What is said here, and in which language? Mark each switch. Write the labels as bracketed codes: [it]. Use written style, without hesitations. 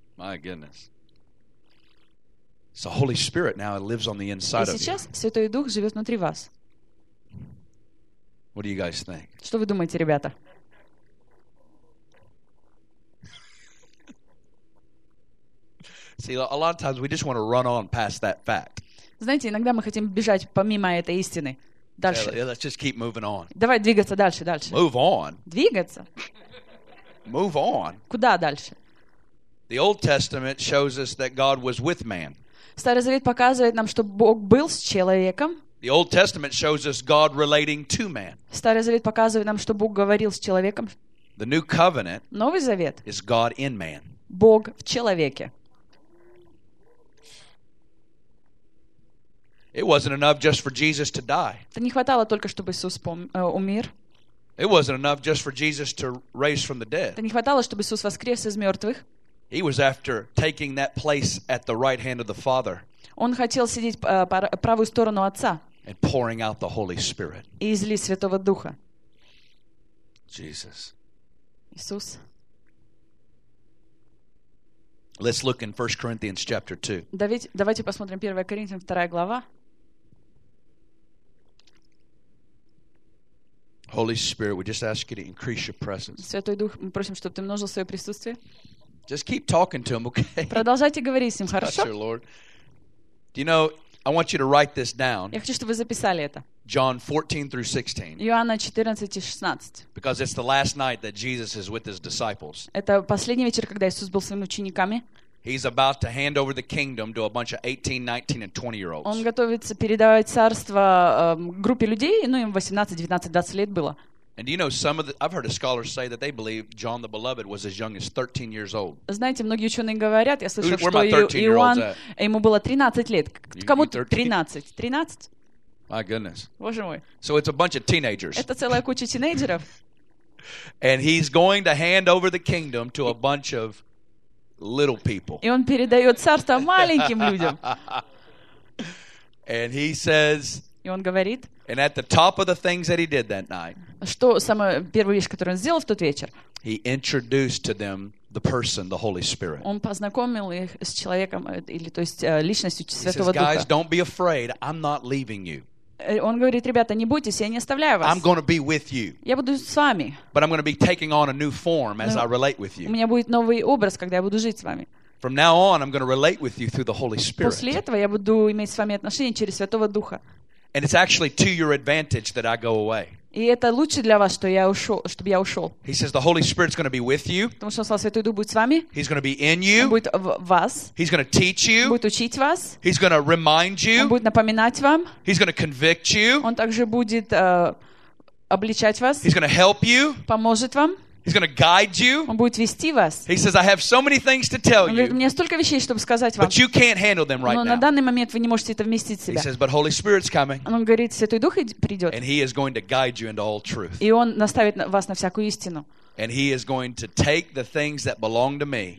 [en] My goodness. So Holy Spirit now lives on the inside of you. [ru] И сейчас Святой Дух живет внутри вас. [en] What do you guys think? [ru] Что вы думаете, ребята? [en] See, a lot of times we just want to run on past that fact. [ru] Знаете, иногда мы хотим бежать помимо этой истины дальше. [en] Yeah, let's just keep moving on. [ru] Давай двигаться дальше, дальше. [en] Move on. [ru] Двигаться. [en] Move on. [ru] Куда дальше? [en] The Old Testament shows us that God was with man. [ru] Старый Завет показывает нам, что Бог был с человеком. [en] The Old Testament shows us God relating to man. [ru] Старый Завет показывает нам, что Бог говорил с человеком. [en] The New Covenant. [ru] Новый Завет. [en] Is God in man. [ru] Бог в человеке. [en] It wasn't enough just for Jesus to die. [ru] Это не хватало только, чтобы Иисус умер. [en] It wasn't enough just for Jesus to raise from the dead. [ru] Это не хватало, чтобы Иисус воскрес из мертвых. [en] He was after taking that place at the right hand of the Father. [ru] Он хотел сидеть по правую сторону Отца. [en] And pouring out the Holy Spirit. [ru] И излить Святого Духа. [en] Jesus. [ru] Иисус. [en] Let's look in 1 Corinthians chapter 2. [ru] Давайте посмотрим 1 Коринфян 2 глава. [en] Holy Spirit, we just ask you to increase your presence. [ru] Святой Дух, мы просим, чтобы ты умножил своё присутствие. [en] Just keep talking to him, okay? [ru] Продолжайте говорить с ним, хорошо? [en] Touch your Lord. Do you know, I want you to write this down. [ru] Я хочу, чтобы вы записали это. [en] John 14 through 16. [ru] Иоанна 14:16. [en] Because it's the last night that Jesus is with his disciples. [ru] Это последний вечер, когда Иисус был с своими учениками. [en] He's about to hand over the kingdom to a bunch of 18, 19, and 20-year-olds. [ru] Он готовится передавать царство группе людей, ну им 18, 19, 20 лет было. [en] And you know, I've heard a scholar say that they believe John the Beloved was as young as 13 years old. [ru] Знаете, многие ученые говорят, я слышал, что Иоанн, ему было 13 лет. Кому 13? 13? [en] My goodness. [ru] Боже мой. [en] So it's a bunch of teenagers. [ru] Это целая куча тинейджеров. [en] And he's going to hand over the kingdom to a bunch of little people. [ru] И он передает царство маленьким людям. [en] And he says. [ru] И он говорит. [en] And at the top of the things that he did that night. [ru] Что самая первая вещь, которую он сделал в тот вечер? [en] He introduced to them the person, the Holy Spirit. [ru] Он познакомил их с человеком или то есть личностью Святого Духа. [en] He says, "Guys, don't be afraid. I'm not leaving you." [ru] Он говорит, ребята, не бойтесь, я не оставляю вас. [en] I'm going to be with you. [ru] Я буду с вами. [en] But I'm going to be taking on a new form as I relate with you. [ru] У меня будет новый образ, когда я буду жить с вами. [en] From now on, I'm going to relate with you through the Holy Spirit. [ru] После этого я буду иметь с вами отношения через Святого Духа. [en] And it's actually to your advantage that I go away. [ru] И это лучше для вас, что я ушел, чтобы я ушел. [en] He says the Holy Spirit's going to be with you. [ru] Потому что он сказал, Святой Дух будет с вами. [en] He's going to be in you. [ru] Он будет в вас. [en] He's going to teach you. [ru] Он будет учить вас. [en] He's going to remind you. [ru] Он будет напоминать вам. [en] He's going to convict you. [ru] Он также будет обличать вас. [en] He's going to help you. [ru] Поможет вам. [en] He's going to guide you. [ru] Он будет вести вас. [en] He says, "I have so many things to tell you." [ru] Он говорит, у меня столько вещей, чтобы сказать вам. [en] But you can't handle them right now. [ru] Но на данный момент вы не можете это вместить в себя. [en] He says, "But Holy Spirit's coming." [ru] Он говорит, Святой Дух придет. [en] And He is going to guide you into all truth. [ru] И он наставит вас на всякую истину. [en] And He is going to take the things that belong to Me.